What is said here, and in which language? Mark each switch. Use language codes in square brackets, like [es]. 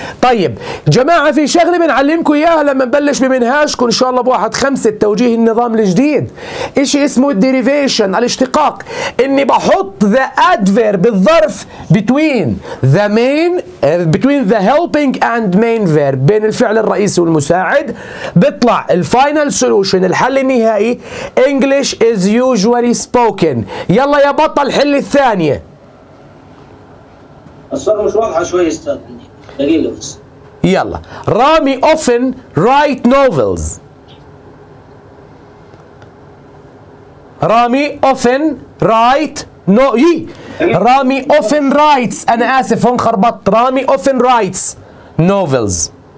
[ar] طيب جماعة في شغلة بنعلمكم إياها لما نبلش بمنهاجكم إن شاء الله بواحد خمسة توجيه النظام الجديد. إشي اسمه الديريفيشن، الاشتقاق. إني بحط [en] the adverb [ar] بالظرف [en] between the main between the helping and main verb، [ar] بين الفعل الرئيسي والمساعد، بيطلع الفاينل سولوشن، الحل النهائي. [en] English is usually spoken. [ar] يلا يا بطل حل الثانية. الصورة مش واضحة شوي استاذ، دقيقة بس. يلا. [en] Rami often write novels. Rami often write no ye. [ar] رامي [en] often writes، [ar] أنا آسف هون خربطت. [en] Rami often writes novels.